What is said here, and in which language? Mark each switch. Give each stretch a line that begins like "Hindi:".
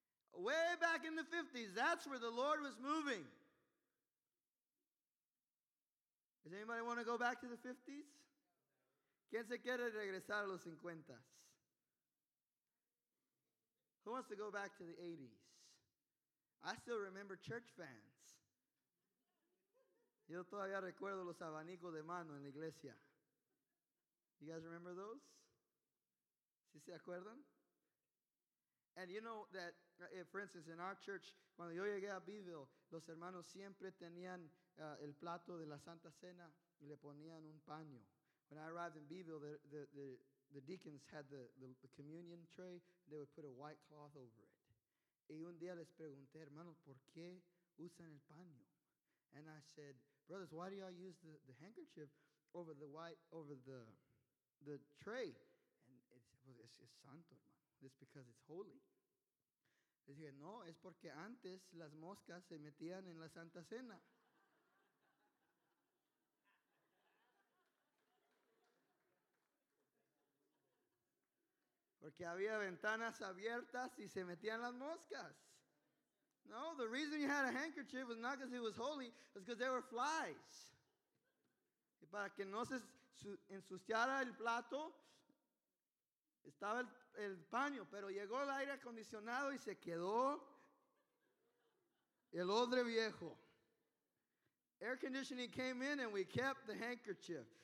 English: Way back in the 50s, that's where the Lord was moving. Does anybody want to go back to the 50s?
Spanish: ¿Quién se quiere regresar a los 50s?
English: Who wants to go back to the 80s? I still remember church fans.
Spanish: Yo todavía recuerdo los abanicos de mano en la iglesia.
English: You guys remember those?
Spanish: ¿Sí se acuerdan?
English: And you know that, for instance, in our church,
Spanish: cuando yo llegué a Beeville, los hermanos siempre tenían el plato de la Santa Cena y le ponían un paño.
English: When I arrived in Beeville, the deacons had the communion tray. They would put a white cloth over it.
Spanish: Y un día les pregunté, hermanos, ¿por qué usan el paño?
English: And I said, brothers, why do y'all use the handkerchief over the white, over the tray? And it's
Spanish: santo, hermano.
English: It's because it's holy.
Spanish: Les dije, no, es porque antes las moscas se metían en la Santa Cena. Porque había ventanas abiertas y se metían las moscas.
English: No, the reason you had a handkerchief was not because it was holy, it was because there were flies.
Spanish: Y para que no se ensuciara el plato, estaba el paño, pero llegó el aire acondicionado y se quedó el odre viejo.
English: Air conditioning came in and we kept the handkerchief.